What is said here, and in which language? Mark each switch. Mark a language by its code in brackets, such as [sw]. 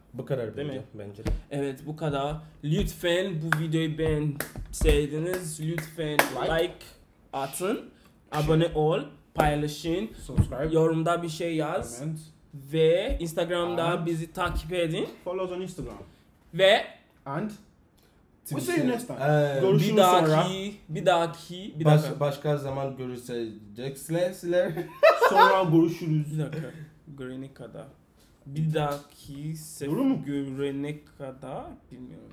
[tr] Bu kadar bence. Evet, bu kadar. Lütfen bu videoyu beğenseydiniz. Lütfen like atın. Abone ol. Paylaşın, [en] subscribe, [tr] yorumda bir şey yaz ve Instagram'da bizi takip edin. [en] Follow us on Instagram. [tr] Ve [en] and we'll see you next time. [tr] Bir dahaki. Başka zaman görüşeceğiz. Sonra görüşürüz. Bir dakika. Görene kadar. Bir dahaki sefer görene kadar bilmiyorum.